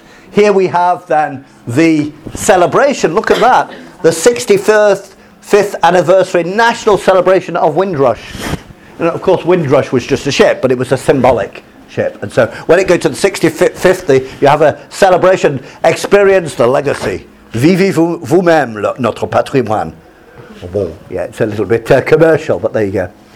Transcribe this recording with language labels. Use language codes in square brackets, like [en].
[en] Here we have then the celebration. Look at that, the 65th anniversary national celebration of Windrush. And of course, Windrush was just a ship, but it was a symbolic ship. And so when it goes to the 65th, you have a celebration, experience the legacy. [fr] Vivez vous-même notre patrimoine. Bon. [en] Yeah, it's a little bit commercial, but there you go.